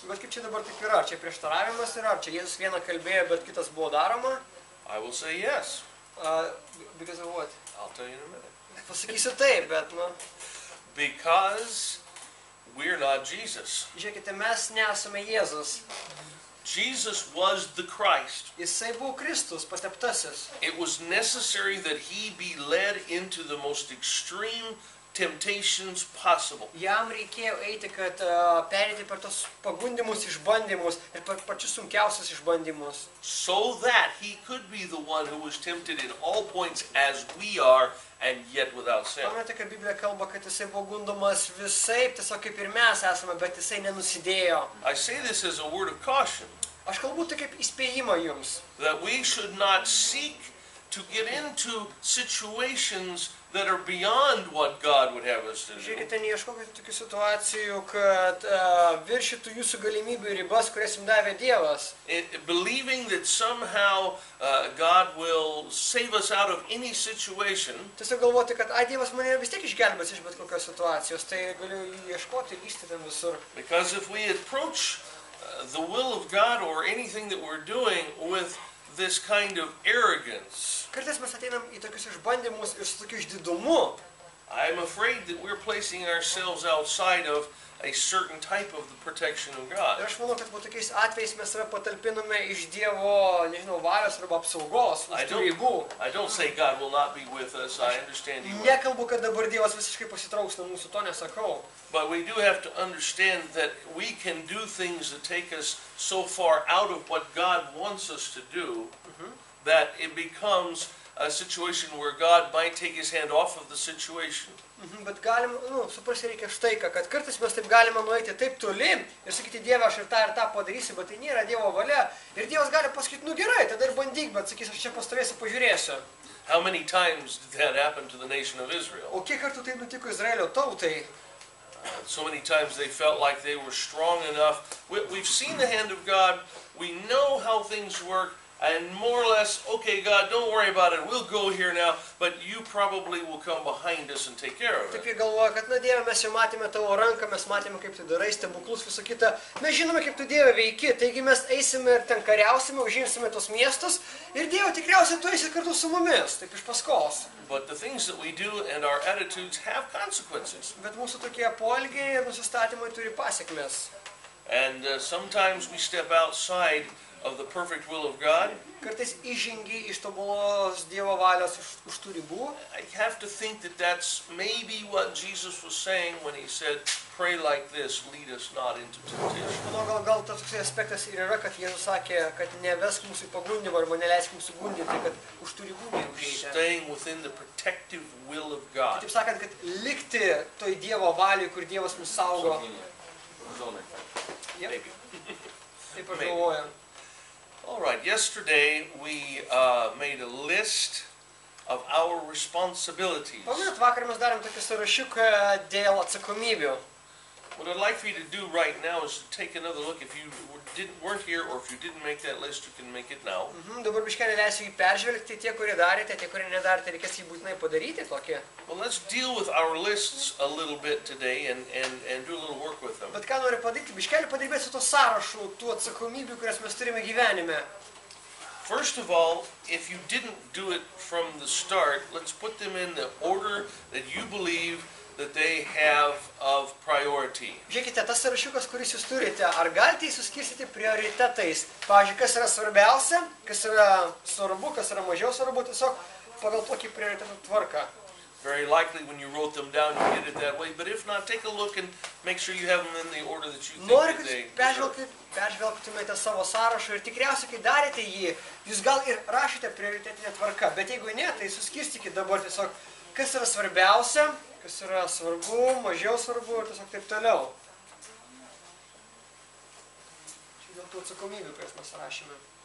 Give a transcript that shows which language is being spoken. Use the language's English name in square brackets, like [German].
[Lithuanian] Bet kaip čia dabar taip yra? Čia prieštaravimas yra? Čia Jėzus vieną kalbėjo, bet kitas buvo daroma? [English] I will say yes. Because of what? I'll tell you in a minute. [Lithuanian] Pasakysiu taip, bet nu... [English] Because we're not Jesus. [Lithuanian] Žiūrėkite, mes nesame Jėzus. [English] Jesus was the Christ. [Lithuanian] Jisai buvo Kristus, pateptasis. [English] It was necessary that he be led into the most extreme temptations possible. [Lithuanian] Jam reikėjo eiti, kad pereiti per tos pagundimus, išbandymus ir per pačius sunkiausius išbandymus. [English] So that he could be the one who was tempted in all points as we are and yet without sin. [Lithuanian] Pamatėte, kad Biblija kalba, kad jisai buvo gundomas visaip, tiesiog kaip ir mes esame, bet jisai nenusidėjo. [English] I say this as a word of caution. [Lithuanian] Aš kalbu tai kaip įspėjimą jums. [English] That we should not seek to get into situations that are beyond what God would have us to do. [Lithuanian] Žiūrėkite, neieškokite tokių situacijų, kad viršytų jūsų galimybių ribas, kurias jums davė Dievas. [English] Believing that somehow God will save us out of any situation. [Lithuanian] Tiesiog galvoti, kad ai, Dievas mane vis tiek išgelbės iš bet kokios situacijos, tai galiu ieškoti ir lysti ten visur. [English] Because if we approach the will of God or anything that we're doing with this kind of arrogance. [Lithuanian] Kartais mes ateinam į tokius išbandymus ir su tokiu išdidumu. [English] I'm afraid that we're placing ourselves outside of a certain type of the protection of God. [Lithuanian] Aš manau, kad tokiais atvejais mes save patalpiname iš Dievo, nežinau, valios arba apsaugos. [English] I don't say God will not be with us. I understand you. [Lithuanian] Nekalbu, kad dabar Dievas visiškai pasitrauks nuo mūsų, to nesakau. [English] But we do have to understand that we can do things that take us so far out of what God wants us to do that it becomes a situation where God might take his hand off of the situation. [Lithuanian] Bet galim, nu, suprasti reikia štai ką, kad kartais mes taip galime nueiti taip toli ir sakyti, Dieve, aš ir tą padarysiu, bet tai nėra Dievo valia. Ir Dievas gali pasakyti, nu gerai, tada ir bandyk, bet sakys, aš čia pastovėsiu, pažiūrėsiu. [English] How many times did that happen to the nation of Israel? [Lithuanian] O kiek kartų tai nutiko Izraelio tautai? [English] So many times they felt like they were strong enough. We've seen the hand of God, we know how things work. And more or less, okay, God, don't worry about it. We'll go here now, but you probably will come behind us and take care of it. [Lithuanian] Taip jie galvoja, kad, na, Dieve, mes jau matėme tavo ranką, mes matėme, kaip tu darai, stebuklus, visą kitą. Mes žinome, kaip tu, Dieve, veiki, taigi mes eisime ir ten kariausime, užimsime tos miestus, ir Dieve, tikriausiai tu eisi kartu su mumis, taip iš paskos. [English] But the things that we do and our attitudes have consequences. [Lithuanian] Bet mūsų tokie poelgiai ir nusistatymai turi pasekmes. [English] And sometimes we step outside of the perfect will of God. [Lithuanian] Kartais įžengi iš tobulos Dievo valios už tų ribų. [English] I have to think that that's maybe what Jesus was saying when he said, pray like this, lead us not into temptation. [Lithuanian] Gal tas toks aspektas ir yra, kad Jėzus sakė, kad nevesk mūsų į pagundimą arba neleisk mūsų gundyti, kad už tų ribų neužeiti. [English] Staying within the protective will of God. [Lithuanian] Taip sakant, kad likti toj Dievo valioj, kur Dievas mus saugo. Zonai. [English] Maybe. [Lithuanian] Taip aš galvoju. [English] All right, yesterday we made a list of our responsibilities. [Lithuanian] Vakar mes darėm tokį sąrašiuką dėl atsakomybių. [English] What I'd like for you to do right now is to take another look. If you weren't here or if you didn't make that list, you can make it now. [Lithuanian] Dabar biškelį leisiu jį peržvelgti, tie, kurie darėte, tie, kurie nedarėte, reikės jį būtinai padaryti tokį. [English] Well, let's deal with our lists a little bit today and do a little work with them. [Lithuanian] Bet ką noriu padaryti, biškelį padirbėti su to sąrašu, tų atsakomybių, kurias mes turime gyvenime. [English] First of all, if you didn't do it from the start, let's put them in the order that you believe that they have of priority. [Lithuanian] Žiūrėkite, tas sąrašiukas, kuris jūs turite, ar galite jį suskirstyti prioritetais? Pavyzdžiui, kas yra svarbiausia, kas yra svarbu, kas yra mažiau svarbu, tiesiog pagal tokį prioritetų tvarką. [English] Very likely when you wrote them down you did it that way, but if not, take a look and make sure you have them in the order that you think that they deserve. [Lithuanian] Peržvelgtumėte savo sąrašą ir tikriausiai, kai darėte jį, jūs gal ir rašėte prioritetinę tvarką, bet jeigu ne, tai suskirstykite dabar tiesiog, kas yra svarbiausia, kas yra svarbu, mažiau svarbu ir tiesiog taip toliau. Čia dėl tų atsakomybių, kurias mes rašėme.